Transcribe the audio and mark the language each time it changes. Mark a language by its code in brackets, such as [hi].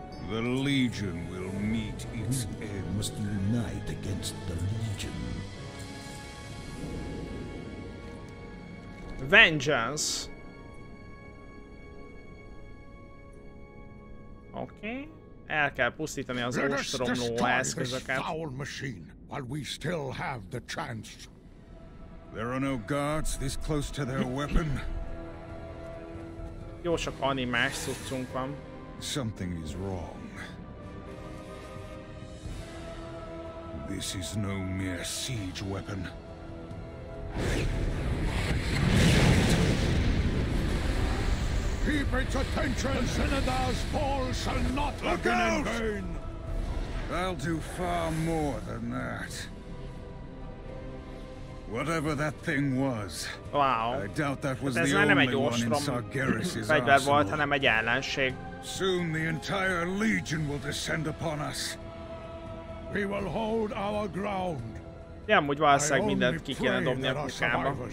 [en] The Legion will meet its end. We must unite against the Legion. Vengeance. Okay. [hu] El kell pusztítani az ostromló eszközöket. [en] Let us destroy this foul machine while we still have the chance. There are no guards this close to their weapon. [hu] Jó sok animás szucunk van. [en] Something is wrong. This is no mere siege weapon. Keep its attention, Senadar's fall shall not look out! In vain. I'll do far more than that. Whatever that thing was. Wow. I doubt that was the only one in Sargeras's arsenal. Soon the entire legion will descend upon us. We will hold our ground. [hu] Ja, amúgy valószínűleg mindent ki kéne dobni a kukába.